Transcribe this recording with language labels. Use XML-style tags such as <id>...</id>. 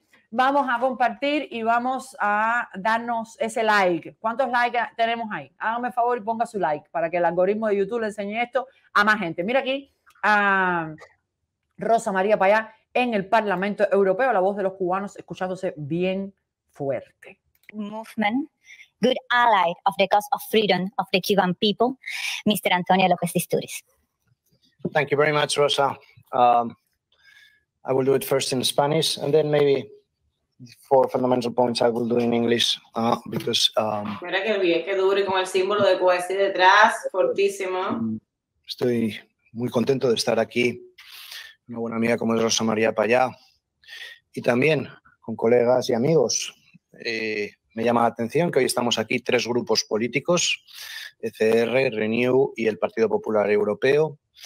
<es>Vamos a compartir y vamos a darnos ese like. ¿Cuántos likes tenemos ahí? Hágame el favor y ponga su like para que el algoritmo de YouTube le enseñe esto a más gente. Mira aquí a Rosa María Payá en el Parlamento Europeo, la voz de los cubanos escuchándose bien fuerte.</es> <en>Movement, good ally of the cause of freedom of the Cuban people, Mr. Antonio López de Istúriz. Thank you very much, Rosa. I will do it first in Spanish, and then maybe four fundamental points I will do in English, because.</en> <es>Mira qué bien, qué duro y con el símbolo de QS detrás, fortísimo. Estoy muy contento de estar aquí. Una buena amiga como es Rosa María Payá, y también con colegas y amigos. Me llama la atención que hoy estamos aquí tres grupos políticos, ECR, Renew y el Partido Popular Europeo.</es>